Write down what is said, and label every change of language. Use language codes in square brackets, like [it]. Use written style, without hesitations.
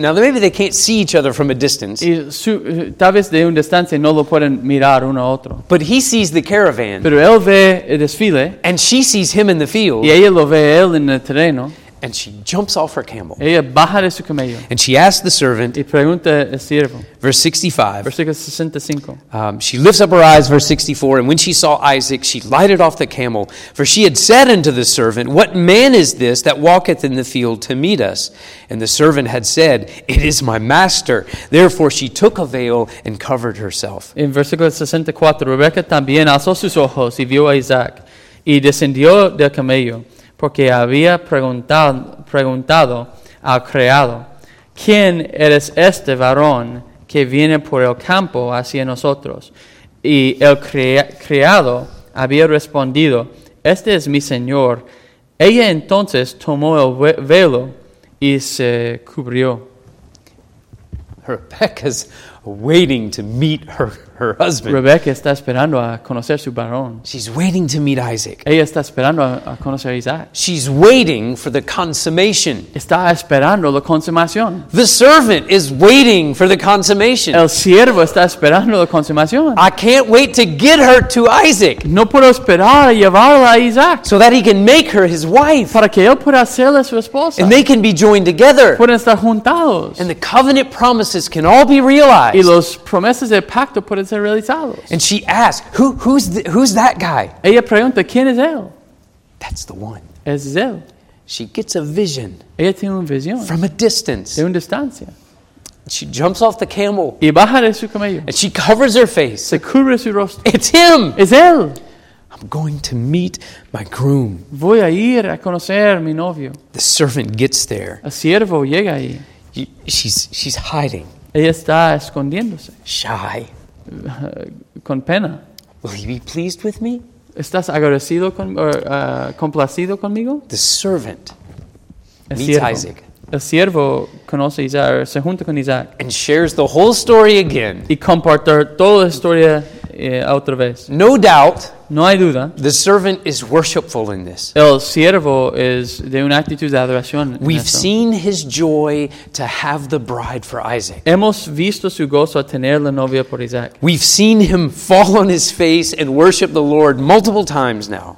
[en] Now, maybe they can't see each other from a distance. [es] Tal vez de una distancia no lo pueden mirar uno a otro. [en] But he sees the caravan. [es] Pero él ve el desfile. [en] And she sees him in the field. [es] Y ella lo ve él en el terreno. [en] And she jumps off her camel. [es] Ella baja de su camello. [en] And she asks the servant. [es] Y pregunta el siervo. [en] Verse 65. [es] Versículo 65. [en] She lifts up her eyes, verse 64. And when she saw Isaac, she lighted off the camel, for she had said unto the servant, "What man is this that walketh in the field to meet us?" And the servant had said, "It is my master." Therefore, she took a veil and covered herself. [es] En versículo 64, Rebeca también alzó sus ojos y vio a Isaac, y descendió del camello. Porque había preguntado al criado, ¿quién eres este varón que viene por el campo hacia nosotros? Y el criado había respondido, este es mi señor. Ella entonces tomó el velo y se cubrió. [en] Rebecca's waiting to meet her husband. [es] Rebecca está esperando a conocer su varón. [en] She's waiting to meet Isaac. [es] Ella está esperando a conocer a Isaac. [en] She's waiting for the consummation. [es] Está esperando la consumación. [en] The servant is waiting for the consummation. [es] El siervo está esperando la consumación. [en] I can't wait to get her to Isaac. [es] No puedo esperar a llevarla a Isaac. [en] So that he can make her his wife. [es] Para que él pueda hacerla su esposa. [en] And they can be joined together. [es] Pueden estar juntados. [en] And the covenant promises can all be realized. [es] Y los promesas del pacto pueden ser realizados. [en] And she asks, who's that guy? [es] Ella pregunta, ¿quién es él? [en] That's the one. [es] Es él. [en] She gets a vision. [es] Ella tiene una visión. [en] From a distance. [es] De una distancia. [en] She jumps off the camel. [es] Y baja de su camello. [en] And she covers her face. [es] Se cubre su rostro. [en] It's him. [es] Es él. [en] I'm going to meet my groom. [es] Voy a ir a conocer mi novio. [en] The servant gets there. [es] El siervo llega ahí. [en] She's hiding. [es] Ella está escondiéndose. [en] Shy. [es] Con pena. [en] Will he be pleased with me? [es] ¿Estás agradecido con, complacido conmigo? [en] The servant meets Isaac. [es] El siervo conoce a Isaac, se junta con Isaac. [en] And shares the whole story again. [es] Y comparte toda la historia otra vez. [en] No doubt. [es] No hay duda. [en] The servant is worshipful in this. [es] El siervo es de una actitud de adoración. [en] We've seen his joy to have the bride for Isaac. [es] Hemos visto su gozo a tener la novia por Isaac. [en] We've seen him fall on his face and worship the Lord multiple times now.